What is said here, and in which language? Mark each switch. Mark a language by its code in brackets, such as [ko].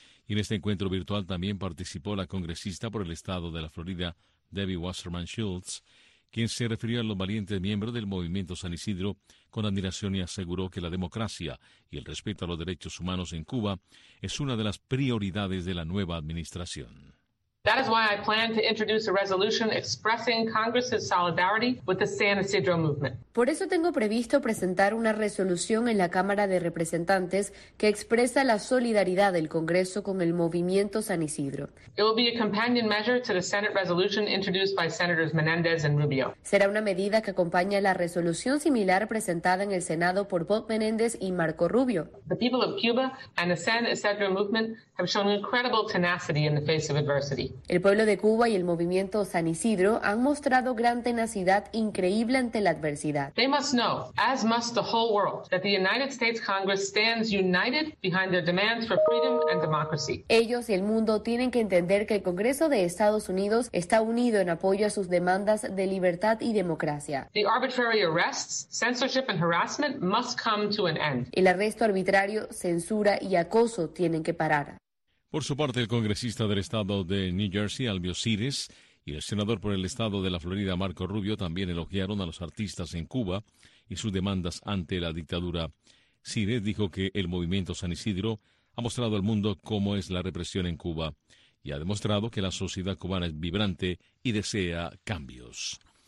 [es] Y en este encuentro virtual también participó la congresista por el estado de la Florida, Debbie Wasserman Schultz, quien se refirió a los valientes miembros del movimiento San Isidro con admiración y aseguró que la democracia y el respeto a los derechos humanos en Cuba es una de las prioridades de la nueva administración. [en] That is why I plan to introduce a resolution expressing Congress's solidarity with the San Isidro movement. [es] Por eso tengo previsto presentar una resolución en la Cámara de Representantes que expresa la solidaridad del Congreso con el movimiento San Isidro. [en] It will be a companion measure to the Senate resolution introduced by Senators Menendez and Rubio. [es] Será una medida que acompaña la resolución similar presentada en el Senado por Bob Menendez y Marco Rubio. [en] The people of Cuba and the San Isidro movement have shown incredible tenacity in the face of adversity. [es] El pueblo de Cuba y el movimiento San Isidro han mostrado gran tenacidad increíble ante la adversidad. [en] They must know, as must the whole world, that the United States Congress stands united behind their demands for freedom and democracy. [es] Ellos y el mundo tienen que entender que el Congreso de Estados Unidos está unido en apoyo a sus demandas de libertad y democracia. [en] The arbitrary arrests, censorship and harassment must come to an end. [es] El arresto arbitrario, censura y acoso tienen que parar. Por su parte, el congresista del estado de New Jersey, Albio Cires, y el senador por el estado de la Florida, Marco Rubio, también elogiaron a los artistas en Cuba y sus demandas ante la dictadura. Cires dijo que el movimiento San Isidro ha mostrado al mundo cómo es la represión en Cuba y ha demostrado que la sociedad cubana es vibrante y desea cambios.